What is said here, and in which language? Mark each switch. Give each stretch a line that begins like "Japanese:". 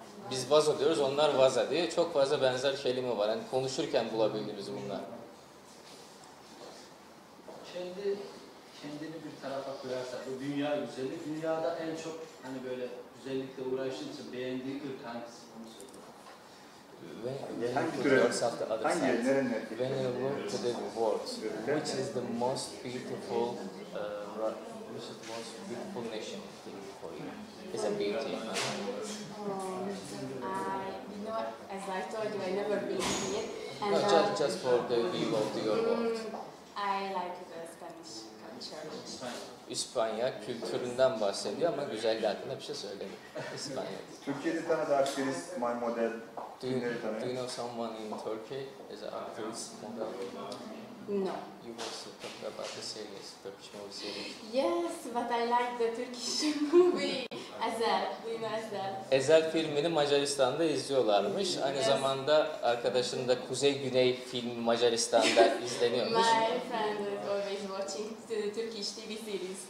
Turkish: Biz vazo diyoruz, onlar vaza diye çok fazla benzer kelime var. Yani konuşurken bulabildiğimiz bunlar. Kendini bir tarafa koyarsak, bu dünya güzeli. Dünyada en çok hani böyle güzellikle uğraştığın için beğendiği ırk hangisi?
English: When you look to the world, which is the most beautiful, which is the most beautiful nation for you? It's a beauty. I, you know, as I told you, I never been here. No, just for the view of the world. I like the Spanish culture.
Turkish: İspanya kültüründen bahsediyor ama güzelliği hakkında bir şey söylemiyor. İspanya. Türkiye'de tane de aktivist,
English: my model. Do you know someone in Turkey as an actress model? No. You also talked about the series, Turkish movie series. Yes, but I like the Turkish movie Ezel. Do you know Ezel?
Turkish: Ezel filmini Macaristan'da izliyorlarmış. Yes. Aynı zamanda arkadaşının da Kuzey Güney filmi Macaristan'da izleniyormuş.
English: My friend is always watching the Turkish TV series.